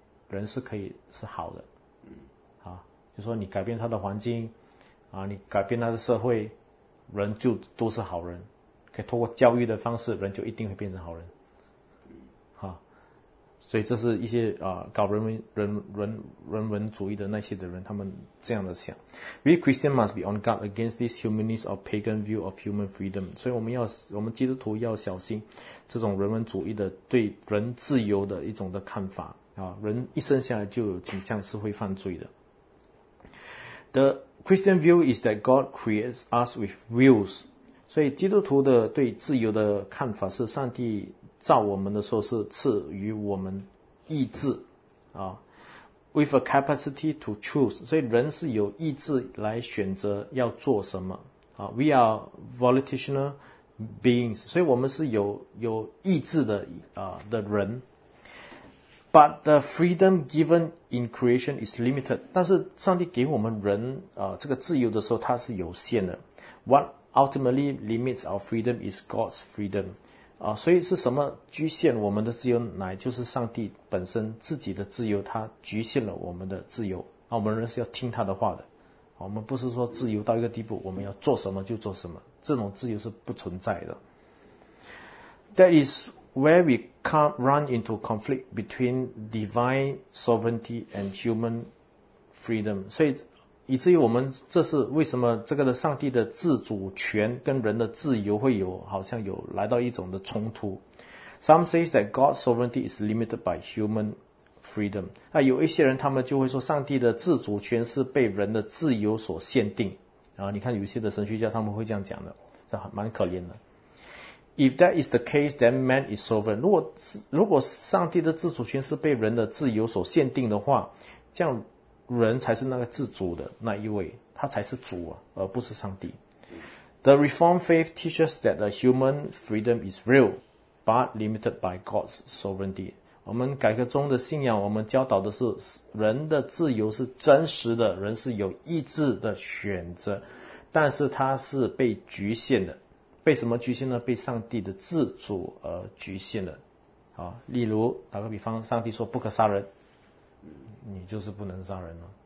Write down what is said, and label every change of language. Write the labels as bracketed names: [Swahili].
[Chinese] 人是可以是好的，就说你改变他的环境你改变他的社会，人就都是好人，可以通过教育的方式，人就一定会变成好人所以这是一些搞人文主义的那些的人，他们这样的想。 [English] We Christians must be on guard against this humanist or pagan view of human freedom。 [Chinese] 所以我们基督徒要小心这种人文主义的对人自由的一种的看法人一生下来就有倾向是会犯罪的。 [English] The Christian view is that God creates us with wills。 [Chinese] 所以基督徒的对自由的看法是，上帝造我们的时候是赐予我们意志 [English] with a capacity to choose。 [Chinese] 所以人是有意志来选择要做什么 [English] We are volitional beings。 [Chinese] 所以我们是有意志的的人。 [English] But the freedom given in creation is limited. [Chinese] 但是上帝给我们人这个自由的时候，它是有限的。 [English] What ultimately limits our freedom is God's freedom. [Chinese] 所以是什么局限我们的自由呢？就是上帝本身自己的自由，它局限了我们的自由。我们人是要听他的话的。我们不是说自由到一个地步，我们要做什么就做什么。这种自由是不存在的。 [English] That is where we can't run into conflict between divine sovereignty and human freedom. [Chinese] 所以以至于我们这是为什么这个的上帝的自主权跟人的自由会有好像有来到一种的冲突。 [English] Some says that God's sovereignty is limited by human freedom. [Chinese] 那有一些人他们就会说上帝的自主权是被人的自由所限定。然后你看有些的神学家他们会这样讲的，这蛮可怜的。 [English] If that is the case, then man is sovereign. [Chinese] 如果上帝的自主权是被人的自由所限定的话，这样人才是那个自主的那一位，他才是主啊，而不是上帝。 [English] The Reformed faith teaches that the human freedom is real, but limited by God's sovereignty. [Chinese] 我们改革中的信仰，我们教导的是人的自由是真实的，人是有意志的选择，但是他是被局限的。被什么局限呢？被上帝的自主而局限的。好，例如打个比方，上帝说不可杀人，你就是不能杀人了。